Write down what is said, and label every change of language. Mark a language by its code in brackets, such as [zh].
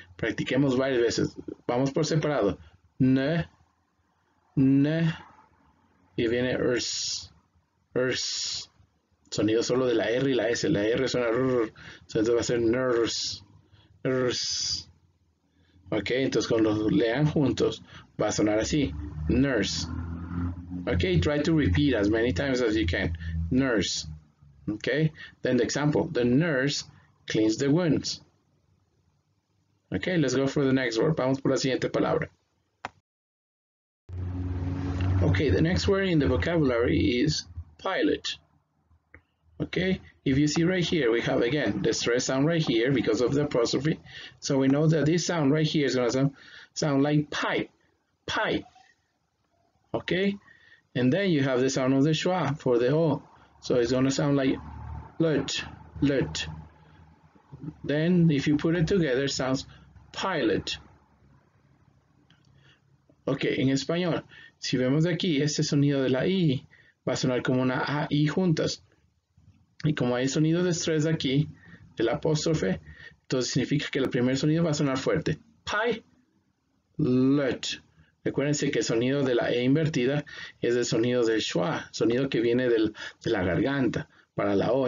[es] Practiquemos varias veces. Vamos por separado. Ne. Ne. Y viene urs. Urs. Sonido solo de la R y la S. La R suena rrr. Entonces va a ser [en] nurse. Nurse. [es] Ok, entonces cuando lean juntos va a sonar así. [en] Nurse. Ok, try to repeat as many times as you can. Nurse. Ok, then the example. The nurse cleans the wounds. Ok, let's go for the next word. [es] Vamos por la siguiente palabra. [en] Ok, the next word in the vocabulary is pilot. Okay, if you see right here, we have again the stress sound right here because of the apostrophe. So we know that this sound right here is going to sound like pipe, pipe. Okay, and then you have the sound of the schwa for the O. So it's going to sound like lut, lut. Then if you put it together, it sounds pilot. [es] Okay, en español, si vemos de aquí, este sonido de la I va a sonar como una A y juntas. Y como hay sonido de estrés aquí, el apóstrofe, entonces significa que el primer sonido va a sonar fuerte. Pi, let. Recuérdense que el sonido de la E invertida es el sonido del schwa, sonido que viene de la garganta para la O.